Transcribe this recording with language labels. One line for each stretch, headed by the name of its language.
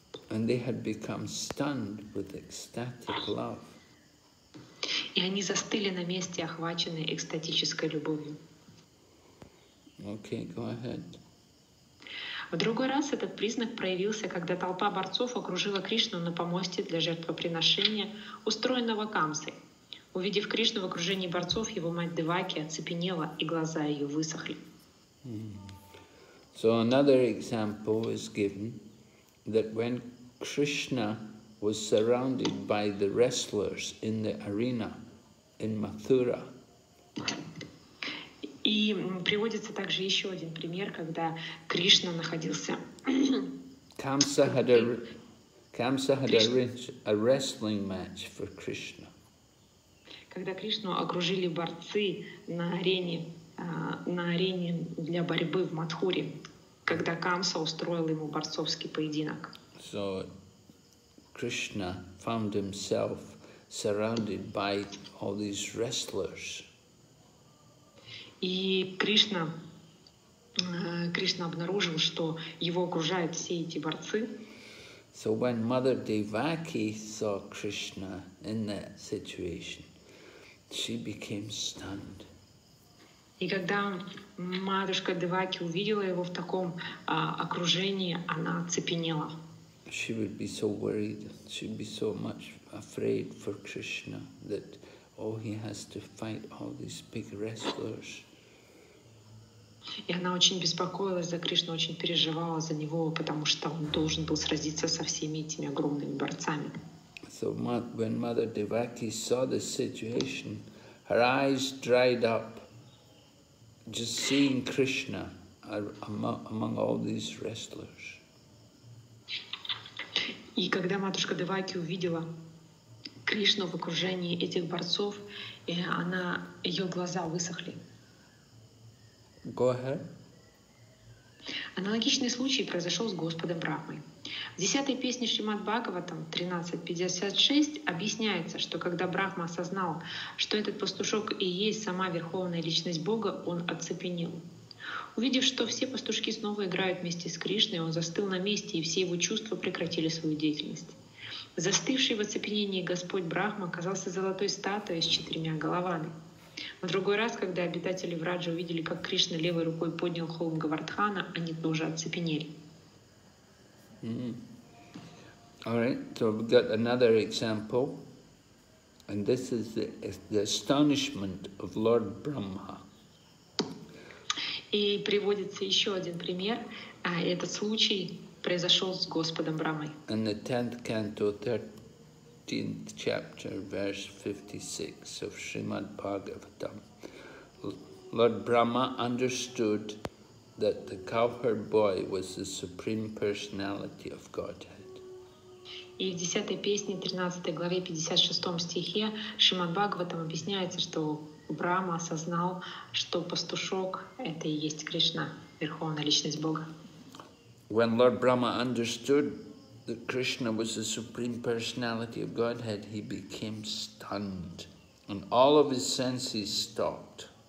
English: And they had become stunned with ecstatic love.
Russian: И они застыли на месте, охваченные экстатической любовью.
English: Okay, go ahead.
Russian: В другой раз этот признак проявился, когда толпа борцов окружила Кришну на помосте для жертвоприношения, устроенного Камсой. Увидев Кришну в окружении борцов, его мать Деваки оцепенела, и глаза ее высохли.
English: So another example is given that when Krishna was surrounded by the wrestlers in the arena in Mathura.
Russian: И приводится также еще один пример, когда Кришна находился.
English: Камса had a Kamsa had a wrestling match for Krishna.
Russian: Когда Кришну окружили борцы на арене, на арене для борьбы в Матхуре, когда Камса устроил ему борцовский поединок.
English: So Krishna found himself surrounded by all these wrestlers.
Russian: И Кришна, Кришна обнаружил, что его окружают все эти борцы.
English: So when Mother Devaki saw Krishna in that situation, she became stunned.
Russian: И когда матушка Деваки увидела его в таком окружении, она оцепенела.
English: She would be so worried, she'd be so much afraid for Krishna that oh, he has to fight all these big wrestlers.
Russian: И она очень беспокоилась за Кришну, очень переживала за него, потому что он должен был сразиться со всеми этими огромными борцами.
English: So when Mother Devaki saw the situation, her eyes dried up, just seeing Krishna among all these wrestlers.
Russian: И когда матушка Деваки увидела Кришну в окружении этих борцов, она, ее глаза высохли.
English: Go ahead.
Russian: Аналогичный случай произошел с Господом Брахмой. В 10-й песне Шримад-Бхагаватам 13.56 объясняется, что когда Брахма осознал, что этот пастушок и есть сама Верховная Личность Бога, он оцепенел. Увидев, что все пастушки снова играют вместе с Кришной, он застыл на месте, и все его чувства прекратили свою деятельность. Застывший в оцепенении Господь Брахма оказался золотой статуей с четырьмя головами. В другой раз, когда обитатели Враджа увидели, как Кришна левой рукой поднял холм Говардхана, они тоже оцепенели.
English: Mm-hmm. All right, so we've got another example. And this is the astonishment of Lord Brahma.
Russian: И приводится еще один пример. Этот случай произошел с Господом Брахмой.
English: In the 10th canto, 13th chapter, verse 56 of Srimad Bhagavatam, Lord Brahma understood that the cowherd boy was the Supreme Personality of Godhead.
Russian: И в 10-й песне, 13-й главе, 56-м стихе Шримад Бхагаватам объясняется, что Брахма осознал, что пастушок — это и есть Кришна, Верховная Личность Бога.
English: When Lord Brahma understood that Krishna was the Supreme Personality of Godhead, he became stunned, and all of his senses stopped.